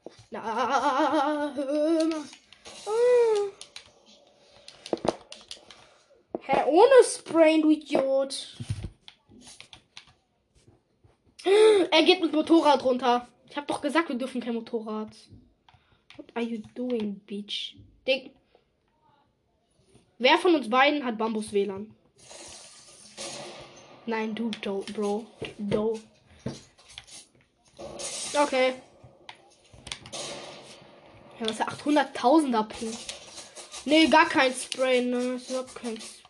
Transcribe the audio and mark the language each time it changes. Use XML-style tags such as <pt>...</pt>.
<de>Na, hör mal. Ah. Hä, ohne Sprayen, du Idiot. Er geht mit Motorrad runter. Ich hab doch gesagt, wir dürfen kein Motorrad.</de> <en>What are you doing, bitch?</en> <de>Ding. Wer von uns beiden hat Bambus-WLAN? Nein, du, Bro. Do. Okay. Ja, das ist ja 800.000 AP. Nee, gar kein Spray, ne? Ich hab kein Spray.</de>